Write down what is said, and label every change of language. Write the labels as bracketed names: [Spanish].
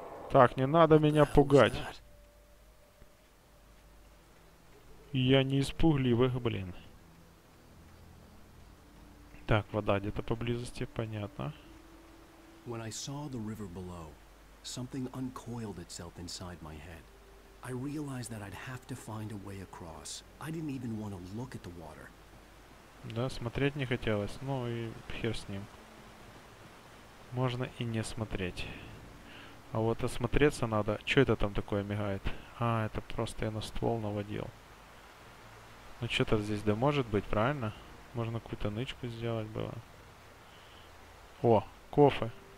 [Russian] Так, не надо меня пугать. Я не из пугливых, блин. Так, вода где-то поблизости, понятно. [English] When I saw the river below, something uncoiled itself inside my head. I realized that I'd have to find a way across. I didn't even want to look at the water. [Russian] Да, смотреть не хотелось. Ну и хер с ним. Можно и не смотреть. А вот осмотреться надо. Что это там такое мигает? А, это просто я на ствол наводил. Ну что-то здесь да может быть, правильно? Можно какую-то нычку сделать было. О, кофе.